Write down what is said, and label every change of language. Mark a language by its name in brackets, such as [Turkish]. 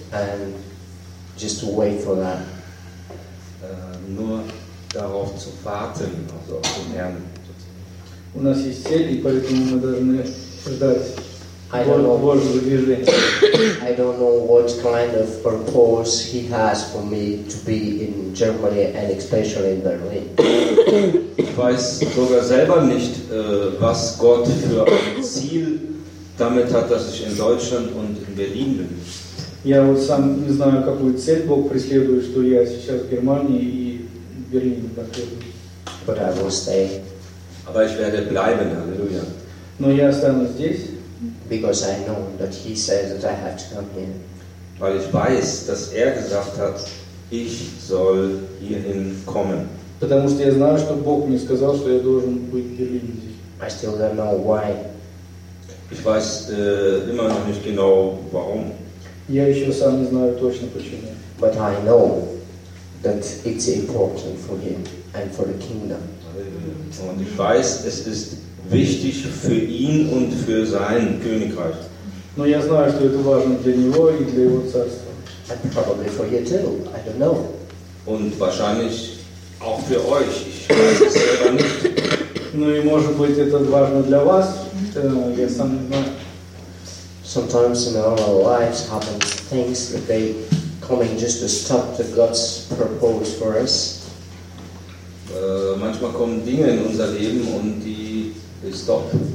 [English] And just to wait for that. [German] Nur darauf zu warten, also auf den Herrn. [Russian] У нас есть цель, и поэтому мы должны ждать Божьего движения. [English] I don't know what kind of purpose He has for me to be in Germany and especially in Berlin. [German] Ich weiß sogar selber nicht, was Gott für ein Ziel damit hat, dass ich in Deutschland und in Berlin bin. [Russian] Я вот сам не знаю, какую цель Бог преследует, что я сейчас в Германии и в Берлине находлюсь. [English] But I will stay. [German] Aber ich werde bleiben, Halleluja. [Russian] Но я останусь здесь. [English] Because I know that He says that I have to come here. [German] Weil ich weiß, dass er gesagt hat, ich soll hierhin kommen. [Russian] Потому что я знаю, что Бог мне сказал, что я должен быть в Берлине здесь. [English] I still don't know why. [German] Ich weiß immer noch nicht genau, warum. [Russian] Я еще сам не знаю точно почему. [English] But I know that it's important for Him and for the kingdom. [German] Und ich weiß, es ist wichtig für ihn und für sein Königreich. [Russian] Но я знаю, что это важно для него и для его царства. [English] And probably for you too. I don't know. [German] Und wahrscheinlich auch für euch. Ich weiß es selber nicht. [Russian] Ну и может быть это важно для вас. Я сам не знаю. [English] Sometimes in our lives happen things that they coming just to stop the God's purpose for us. [German] Manchmal kommen Dinge in unser Leben und die stop.